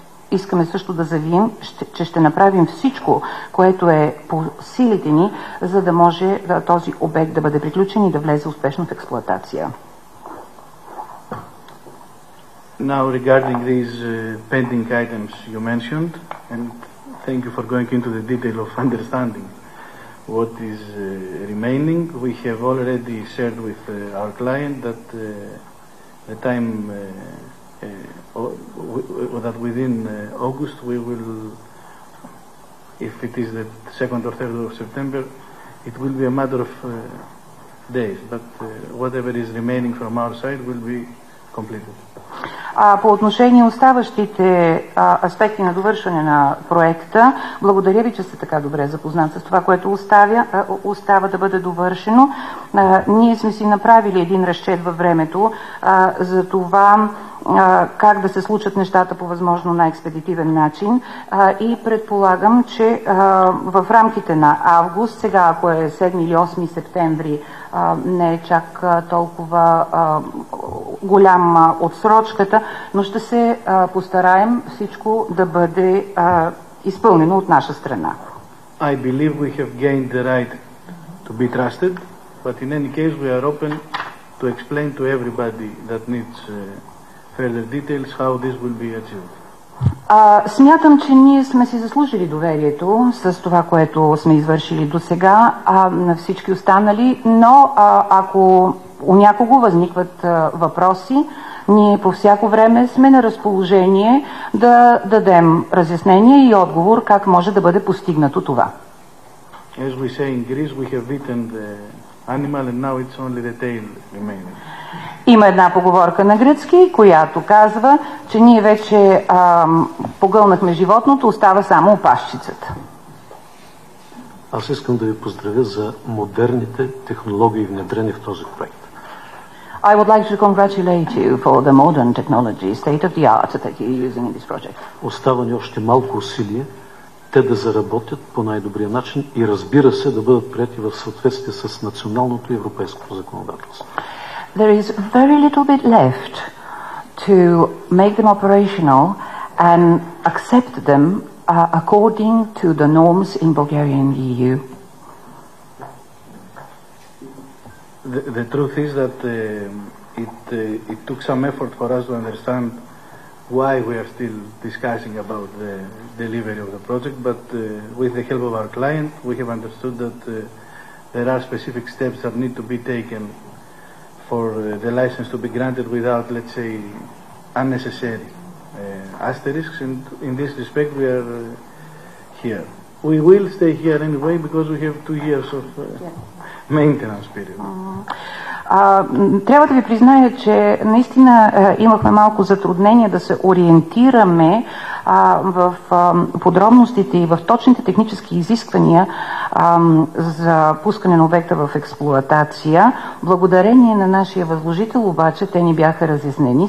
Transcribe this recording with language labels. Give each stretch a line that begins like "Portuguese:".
Bulgarian: искаме също да заявим, че ще направим всичко, което е по силите ни, за да може този обект да бъде приключен и да влезе успешно в експлоатация.
English: Now regarding these pending items you mentioned, and thank you for going into the detail of understanding what is remaining. We have already shared with our client that the time that within August we will, if it is the 2nd or 3rd of September, it will be a matter of days. But whatever is remaining from our side will be completed.
Bulgarian: По отношение оставащите аспекти на довършване на проекта, благодаря ви, че сте така добре запознат с това, което остава да бъде довършено. Ние сме си направили един разчет във времето за това как да се случат нещата по възможно най-експедитивен начин и предполагам, че в рамките на август, сега ако е 7 или 8 септември, не е чак толкова голяма отсрочката, но ще се постараем всичко да бъде изпълнено от наша страна.
English: I believe we have gained the right to be trusted, but in any case we are open to explain to everybody that needs further details how this will be achieved.
Bulgarian: Смятам, че ние сме си заслужили доверието с това, което сме извършили досега на всички останали, но ако у някого възникват въпроси, ние по всяко време сме на разположение да дадем разяснение и отговор как може да бъде постигнато това.
English: As we say in Greece, we have eaten the animal and now it's only the tail remaining.
Bulgarian: Има една поговорка на гръцки, която казва, че ние вече погълнахме животното, остава само опашчицата. Аз искам да ви поздравя за модерните технологии, внедрени в този проект.
English: I would like to congratulate you for the modern technology, state of the art that you're using in this project.
Bulgarian: Остава ни още малко усилие те да заработят по най-добрия начин и разбира се да бъдат приети в съответствие с националното и европейското законодателство.
English: There is very little bit left to make them operational and accept them according to the norms in Bulgaria and the EU. The truth is that it took some effort for us to understand why we are still discussing about the delivery of the project, but with the help of our client we have understood that there are specific steps that need to be taken for the license to be granted without, let's say, unnecessary asterisks, and in this respect we are here. We will stay here anyway because we have 2 years of maintenance period.
Bulgarian: Трябва да ви призная, че наистина имахме малко затруднения да се ориентираме в подробностите и в точните технически изисквания за пускане на обекта в експлоатация. Благодарение на нашия възложител обаче те ни бяха разяснени.